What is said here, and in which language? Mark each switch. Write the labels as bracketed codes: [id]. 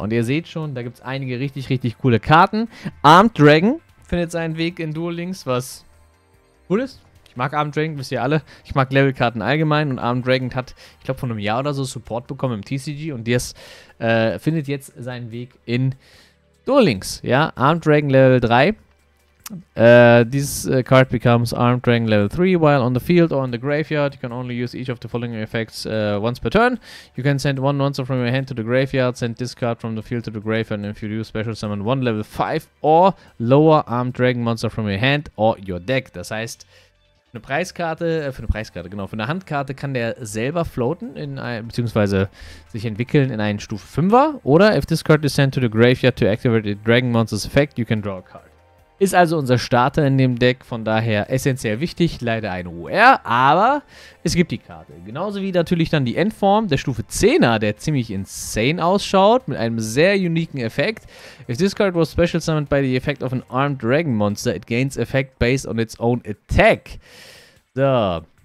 [de] Und ihr seht schon, da gibt es einige richtig, richtig coole Karten. Armed Dragon findet seinen Weg in Duel Links, was cool ist. Ich mag Armed Dragon, wisst ihr alle. Ich mag Levelkarten allgemein und Armed Dragon hat, ich glaube, vor einem Jahr oder so Support bekommen im TCG und das findet jetzt seinen Weg in Duel Links. Ja, Armed Dragon Level 3. [en] This card becomes Armed Dragon Level 3 while on the field or in the graveyard. You can only use each of the following effects once per turn. You can send one monster from your hand to the graveyard, send this card from the field to the graveyard, and if you use Special Summon one Level 5 or lower Armed Dragon Monster from your hand or your deck. [de] Das heißt, Für eine Handkarte kann der selber floaten, beziehungsweise sich entwickeln in einen Stufe 5er. [en] Oder if this card is sent to the graveyard to activate the Dragon Monster's effect, you can draw a card. [de] Ist also unser Starter in dem Deck, von daher essentiell wichtig, leider ein UR, aber es gibt die Karte. Genauso wie natürlich dann die Endform der Stufe 10er, der ziemlich insane ausschaut, mit einem sehr uniken Effekt. [en] If this card was special summoned by the effect of an armed dragon monster, it gains effect based on its own attack. So.